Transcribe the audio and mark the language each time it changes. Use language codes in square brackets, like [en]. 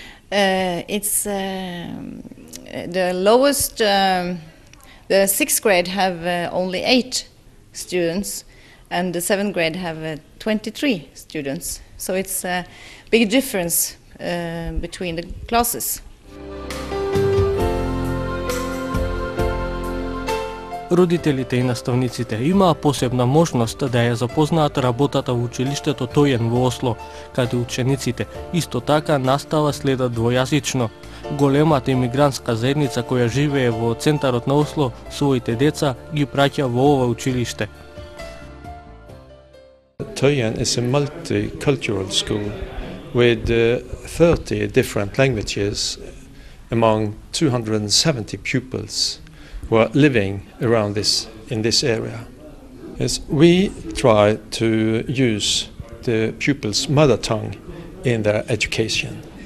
[en] It's the lowest, the sixth grade have only 8 students and the seventh grade have 23 students. So it's a big difference between the classes. [mk] Родителите и наставниците имаа посебна можност да ја запознаат работата во училиштето Тојен во Осло, каде учениците исто така настава следат двојазично. Големата имигрантска заедница која живее во центарот на Осло, своите деца ги праќа во ова училиште. [en] Tøyen is a multicultural school with 30 different languages among 270 pupils who are living around this in this area. As we try to use the pupils' mother tongue in their education.